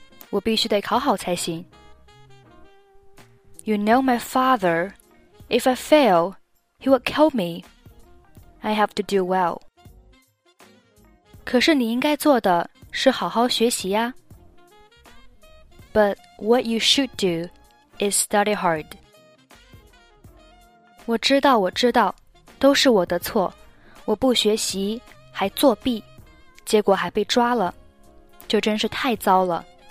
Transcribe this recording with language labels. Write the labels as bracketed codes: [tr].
[zh] 我必须得考好才行。 [en] You know my father. If I fail, he would kill me. I have to do well. [zh] 可是你应该做的是好好学习呀。 [en] But what you should do is study hard. [zh] 我知道，我知道，都是我的错。我不学习，还作弊，结果还被抓了，这真是太糟了。